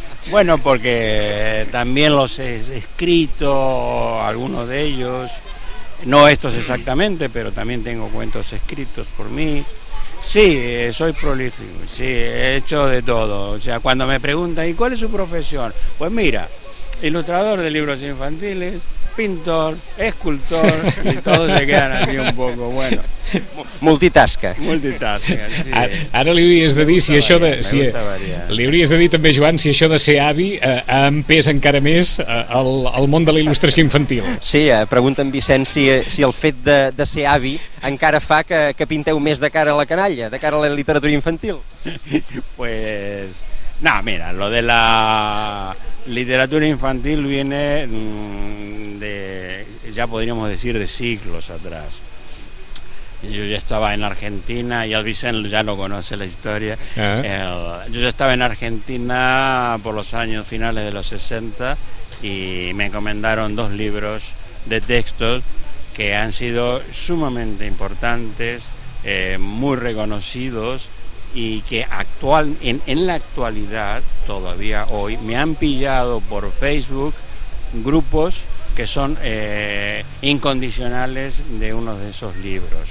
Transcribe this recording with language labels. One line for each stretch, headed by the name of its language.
Spanish: Bueno, porque también los he escrito, algunos de ellos, no estos exactamente, pero también tengo cuentos escritos por mí. Sí, soy prolífico, sí, he hecho de todo. O sea, cuando me preguntan, ¿y cuál es su profesión? Pues mira, ilustrador de libros infantiles, pintor, escultor, y todos se quedan así un poco, bueno.
Catalan: Multitasca. Multitasca, sí. Ara li hauries de dir si això de... Si, li hauries de dir també, Joan, si això de ser avi ha empès encara més el món de la il·lustració infantil. Sí, pregunta en Vicenç si el fet de ser avi encara fa que pinteu més de cara a la canalla, de cara a la literatura infantil.
Spanish: Pues... No, mira, lo de la literatura infantil viene de, ya podríamos decir, de siglos atrás. Yo ya estaba en Argentina, y el Vicente ya no conoce la historia. Yo ya estaba en Argentina por los años finales de los 60 y me encomendaron dos libros de textos que han sido sumamente importantes, muy reconocidos, y que en la actualidad, todavía hoy, me han pillado por Facebook grupos que son incondicionales de uno de esos libros.